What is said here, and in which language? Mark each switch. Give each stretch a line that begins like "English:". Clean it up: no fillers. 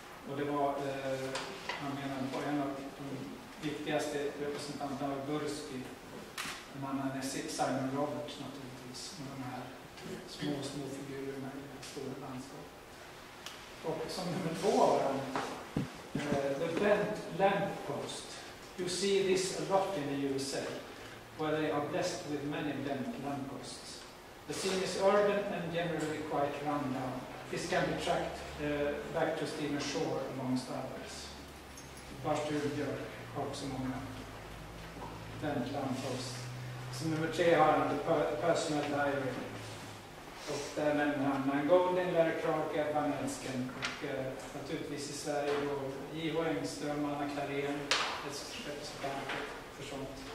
Swedish: Och det var, han menar på en av de viktigaste representanterna av Gursky, mannen är Simon Roberts naturligtvis, med de här små figurerna i det stora landskapet. Och som nummer två var han,
English: the bent lamppost. You see this a lot in the USA, where they are blessed with many bent lampposts. The scene is urban and generally quite run down. This can be tracked back to Steamer Shore, amongst others.
Swedish: Bartur Björk har också många
English: bent lampposts.
Swedish: Så nummer tre har han,
English: the personal diary.
Swedish: Och där nämner han Man Golding, Larry Clark, Evan Elsken och naturligtvis i Sverige då J.H. Engström, Anna Klarén, representant för sånt.